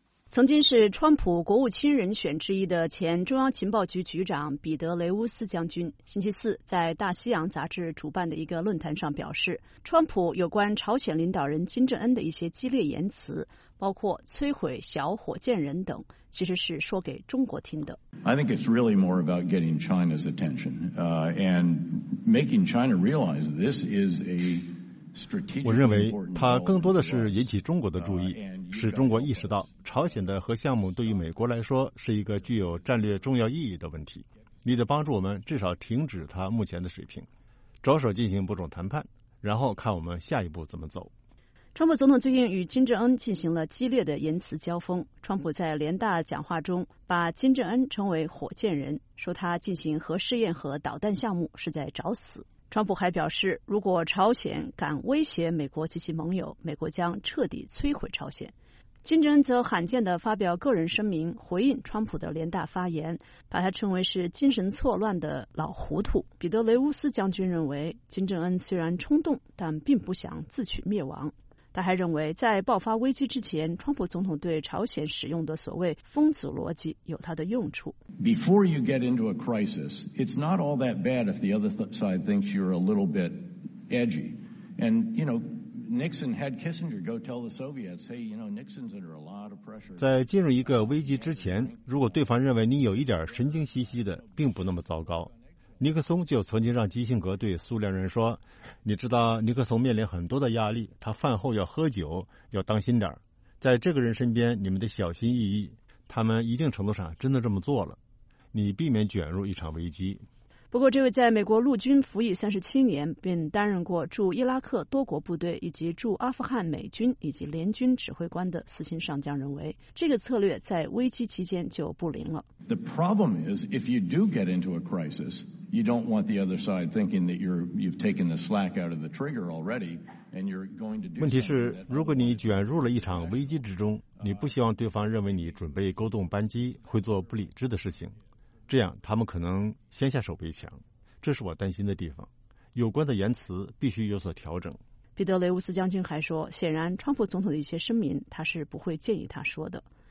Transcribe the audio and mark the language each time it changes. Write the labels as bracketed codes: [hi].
[zh] 曾经是川普国务卿人选之一的前中央情报局局长彼得雷乌斯将军星期四在大西洋杂志主办的一个论坛上表示，川普有关朝鲜领导人金正恩的一些激烈言辞，包括摧毁小火箭人等，其实是说给中国听的。 [en] I think it's really more about getting China's attention, and making China realize this is a strategic. [zh] 我认为它更多的是引起中国的注意，使中国意识到朝鲜的核项目对于美国来说是一个具有战略重要意义的问题。你得帮助我们至少停止它目前的水平，着手进行某种谈判，然后看我们下一步怎么走。川普总统最近与金正恩进行了激烈的言辞交锋。川普在联大讲话中把金正恩称为火箭人，说他进行核试验和导弹项目是在找死。川普还表示，如果朝鲜敢威胁美国及其盟友，美国将彻底摧毁朝鲜。金正恩则罕见地发表个人声明回应川普的联大发言，把他称为是精神错乱的老糊涂。彼得雷乌斯将军认为，金正恩虽然冲动，但并不想自取灭亡。他还认为，在爆发危机之前，川普总统对朝鲜使用的所谓疯子逻辑有它的用处。 [en] Before you get into a crisis, it's not all that bad if the other side thinks you're a little bit edgy. And, you know, Nixon had Kissinger go tell the Soviets, hey, you know, Nixon's under a lot of pressure. [zh] 在进入一个危机之前，如果对方认为你有一点神经兮兮的，并不那么糟糕。尼克松就曾经让基辛格对苏联人说，你知道尼克松面临很多的压力，他饭后要喝酒，要当心点，在这个人身边你们得小心翼翼，他们一定程度上真的这么做了，你避免卷入一场危机。不过这位在美国陆军服役37年，并担任过驻伊拉克多国部队以及驻阿富汗美军以及联军指挥官的四星上将认为，这个策略在危机期间就不灵了。 [en] The problem is if you do get into a crisisYou don't want the other side thinking that you've taken the slack out of the trigger already, and you're going to do. [zh] 问题是，如果你卷入了一场危机之中，你不希望对方认为你准备勾动扳机，会做不理智的事情，这样他们可能先下手为强。这是我担心的地方。有关的言辞必须有所调整。彼得雷乌斯将军还说，显然川普总统的一些声明，他是不会建议他说的。